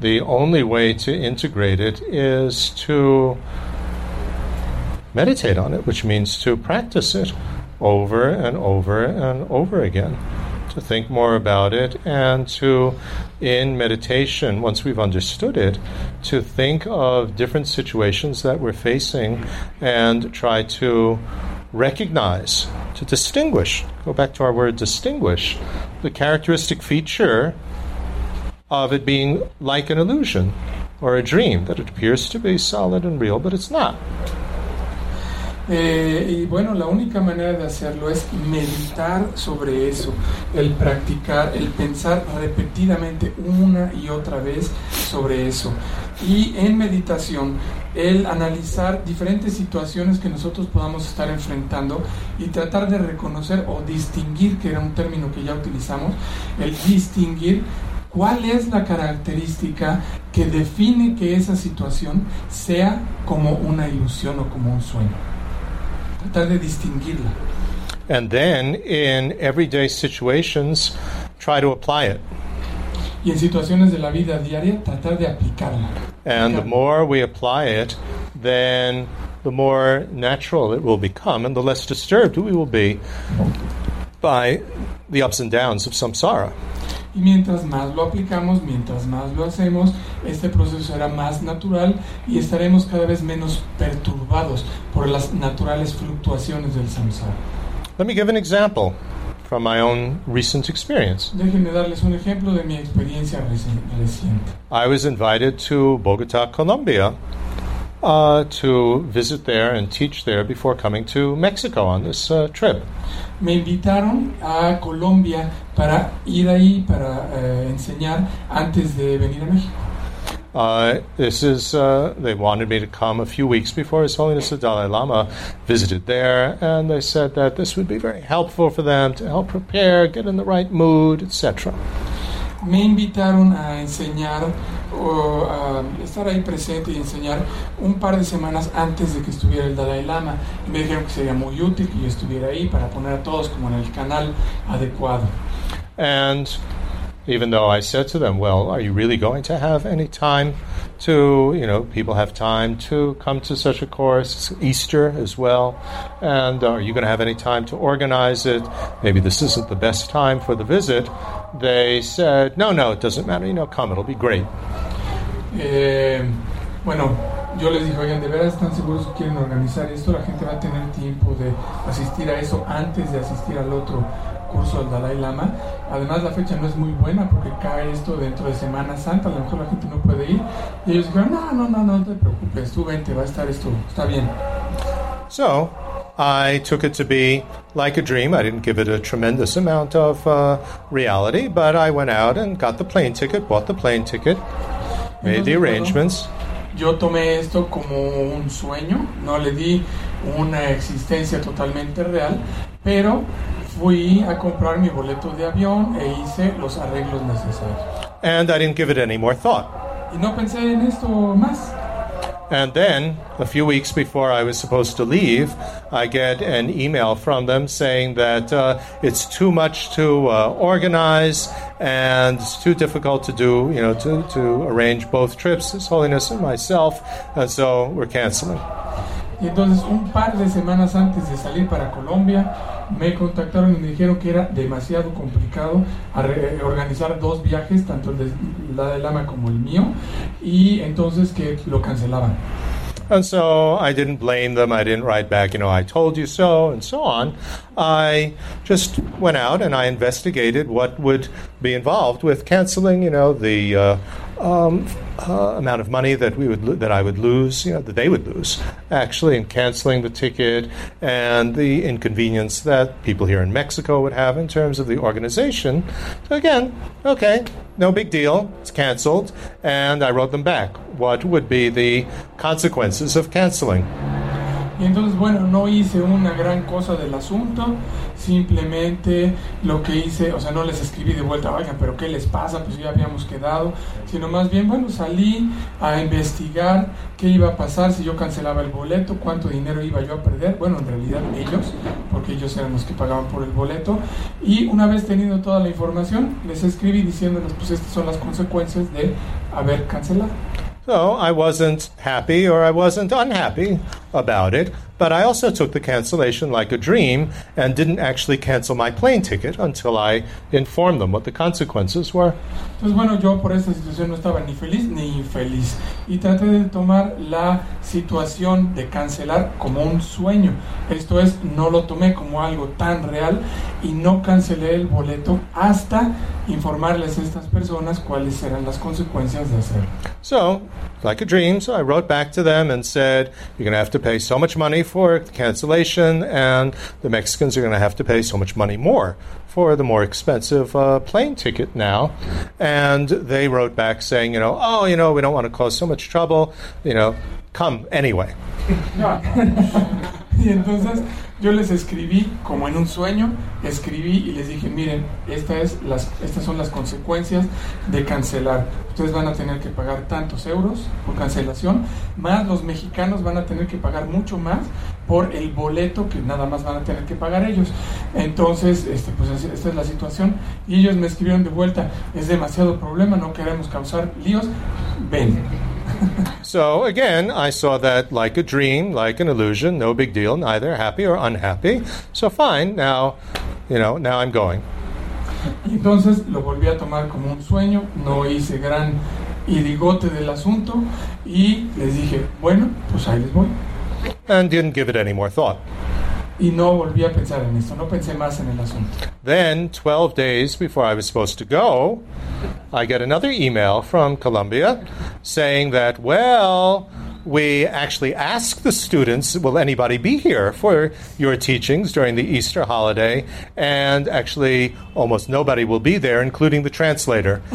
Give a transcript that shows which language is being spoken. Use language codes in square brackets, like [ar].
[en] The only way to integrate it is to meditate on it, which means to practice it over and over and over again, to think more about it, and to, in meditation, once we've understood it, to think of different situations that we're facing and try to recognize, to distinguish, go back to our word distinguish, the characteristic feature of it being like an illusion or a dream, that it appears to be solid and real, but it's not. [es] Y bueno, la única manera de hacerlo es meditar sobre eso, el practicar, el pensar repetidamente una y otra vez sobre eso. Y en meditación, el analizar diferentes situaciones que nosotros podamos estar enfrentando y tratar de reconocer o distinguir, que era un término que ya utilizamos, el distinguir cuál es la característica que define que esa situación sea como una ilusión o como un sueño. Tratar de distinguirla. [en] And then, in everyday situations, try to apply it. [es] Y en situaciones de la vida diaria, tratar de aplicarla. [en] And the more we apply it, then the more natural it will become, and the less disturbed we will be by the ups and downs of samsara. [es] Y mientras más lo aplicamos, mientras más lo hacemos, este proceso será más natural y estaremos cada vez menos perturbados por las naturales fluctuaciones del samsara. [en] Let me give an example. from my own recent experience. [es] Déjenme darles un ejemplo de mi experiencia reciente. [en] I was invited to Bogotá, Colombia, to visit there and teach there before coming to Mexico on this trip. [es] Me invitaron a Colombia para ir ahí para enseñar antes de venir a México. [en] They wanted me to come a few weeks before His Holiness the Dalai Lama visited there, and they said that this would be very helpful for them to help prepare, get in the right mood, etc. [es] Me invitaron a enseñar o a estar ahí presente y enseñar un par de semanas antes de que estuviera el Dalai Lama, y me dijeron que sería muy útil que yo estuviera ahí para poner a todos como en el canal adecuado. [en] And even though I said to them, well, are you really going to have any time to, you know, people have time to come to such a course, Easter as well, and are you going to have any time to organize it? Maybe this isn't the best time for the visit. They said, no, no, it doesn't matter. You know, come, it'll be great. [es] Bueno, yo les dije, oigan, ¿de verdad están seguros que quieren organizar esto? La gente va a tener tiempo de asistir a eso antes de asistir al otro curso del Dalai Lama. Además, la fecha no es muy buena porque cae esto dentro de Semana Santa. A lo mejor la gente no puede ir. Y ellos dijeron, no, no, no, no te preocupes. Tú vente, va a estar esto. Está bien. [en] So, I took it to be like a dream. I didn't give it a tremendous amount of reality, but I went out and got the plane ticket, bought the plane ticket, made the arrangements. [es] Yo tomé esto como un sueño. No le di una existencia totalmente real, pero fui a comprar mi boleto de avión e hice los arreglos necesarios. [en] And I didn't give it any more thought. [es] Y no pensé en esto más. [en] And then, a few weeks before I was supposed to leave, I get an email from them saying that it's too much to organize and it's too difficult to do, you know, to arrange both trips, His Holiness and myself, and so we're canceling. [es] Y entonces, un par de semanas antes de salir para Colombia, me contactaron y me dijeron que era demasiado complicado organizar dos viajes, tanto el de la del Lama como el mío, y entonces que lo cancelaban. [en] And so I didn't blame them, I didn't write back, you know, I told you so, and so on. I just went out and I investigated what would be involved with canceling, you know, the amount of money that we would that I would lose, you know, that they would lose, actually, in canceling the ticket, and the inconvenience that people here in Mexico would have in terms of the organization. So again, okay, no big deal, it's canceled, and I wrote them back. What would be the consequences of canceling? [es] Y entonces, bueno, no hice una gran cosa del asunto, simplemente lo que hice, o sea, no les escribí de vuelta, oigan, pero ¿qué les pasa? Pues ya habíamos quedado, sino más bien, bueno, salí a investigar qué iba a pasar si yo cancelaba el boleto, cuánto dinero iba yo a perder, bueno, en realidad ellos, porque ellos eran los que pagaban por el boleto, y una vez teniendo toda la información, les escribí diciéndoles, pues estas son las consecuencias de haber cancelado. [en] So I wasn't happy or I wasn't unhappy about it, but I also took the cancellation like a dream and didn't actually cancel my plane ticket until I informed them what the consequences were. [es] Entonces, bueno, yo por esta situación no estaba ni feliz ni infeliz, y traté de tomar la situación de cancelar como un sueño. Esto es, no lo tomé como algo tan real y no cancelé el boleto hasta informarles a estas personas cuáles serán las consecuencias de hacerlo. [en] So, like a dream, so I wrote back to them and said, you're going to have to pay so much money for cancellation, and the Mexicans are going to have to pay so much money more for the more expensive plane ticket now. And they wrote back saying, you know, oh, you know, we don't want to cause so much trouble, you know, come anyway. [es] Y entonces yo les escribí como en un sueño, escribí y les dije, miren, estas son las consecuencias de cancelar. Ustedes van a tener que pagar tantos euros por cancelación, más los mexicanos van a tener que pagar mucho más por el boleto que nada más van a tener que pagar ellos. Entonces, pues esta es la situación. Y ellos me escribieron de vuelta, es demasiado problema, no queremos causar líos, ven. [en] So again, I saw that like a dream, like an illusion, no big deal, neither happy or unhappy. So fine, now, you know, now I'm going. [es] Entonces lo volví a tomar como un sueño, no hice gran irigote del asunto, y les dije, bueno, pues ahí les voy. [en] And didn't give it any more thought. [es] Y no volví a pensar en esto, no pensé más en el asunto. [en] Then, 12 days before I was supposed to go, I get another email from Colombia saying that, well, we actually ask the students, will anybody be here for your teachings during the Easter holiday? And actually, almost nobody will be there, including the translator.